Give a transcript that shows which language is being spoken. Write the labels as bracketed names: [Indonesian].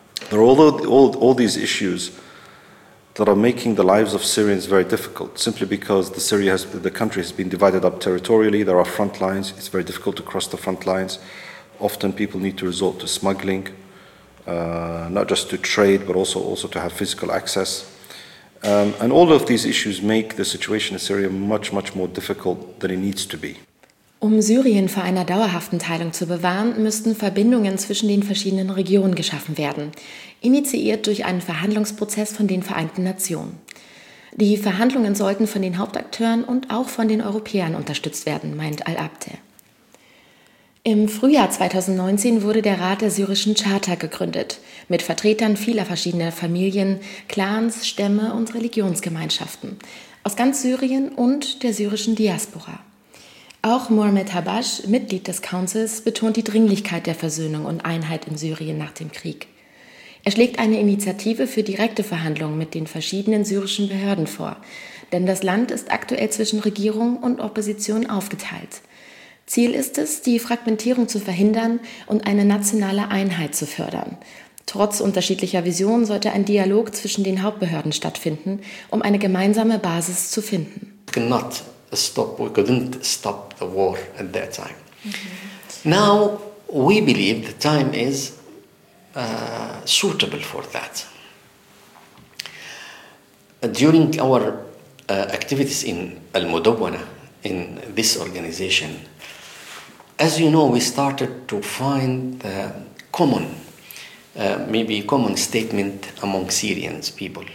[English] There are all these issues that are making the lives of Syrians very difficult, simply because the country has been divided up territorially. There are front lines. It's very difficult to cross the front lines. Often people need to resort to smuggling, not just to trade, but also to have physical access. And all of these issues make the situation in Syria much, much more difficult than it needs to be. [German] Um Syrien vor einer dauerhaften Teilung zu bewahren, müssten Verbindungen zwischen den verschiedenen Regionen geschaffen werden, initiiert durch einen Verhandlungsprozess von den Vereinten Nationen. Die Verhandlungen sollten von den Hauptakteuren und auch von den Europäern unterstützt werden, meint Al-Abte. Im Frühjahr 2019 wurde der Rat der syrischen Charta gegründet, mit Vertretern vieler verschiedener Familien, Clans, Stämme und Religionsgemeinschaften aus ganz Syrien und der syrischen Diaspora. Auch Mohamed Habash, Mitglied des Councils, betont die Dringlichkeit der Versöhnung und Einheit in Syrien nach dem Krieg. Er schlägt eine Initiative für direkte Verhandlungen mit den verschiedenen syrischen Behörden vor, denn das Land ist aktuell zwischen Regierung und Opposition aufgeteilt. Ziel ist es, die Fragmentierung zu verhindern und eine nationale Einheit zu fördern. Trotz unterschiedlicher Visionen sollte ein Dialog zwischen den Hauptbehörden stattfinden, um eine gemeinsame Basis zu finden. [English] We couldn't stop the war at that time. Mm-hmm. Now we believe the time is suitable for that. During our activities in Al-Mudawwana, in this organization, as you know, we started to find the common, maybe common statement among Syrians people.